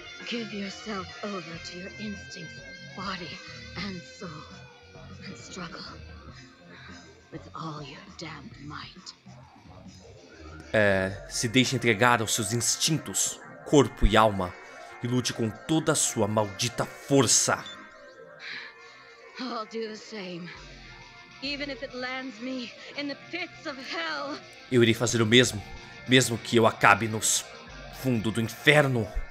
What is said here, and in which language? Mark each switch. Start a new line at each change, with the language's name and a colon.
English: give yourself over to your instincts, body and soul, and struggle with all your damned might.
Portuguese: É, se deixe entregar aos seus instintos, corpo e alma, e lute com toda a sua maldita força.
English: I'll do the same. Even if it lands me in the pits of hell.
Portuguese: Eu irei fazer o mesmo, mesmo que eu acabe nos fundo do inferno.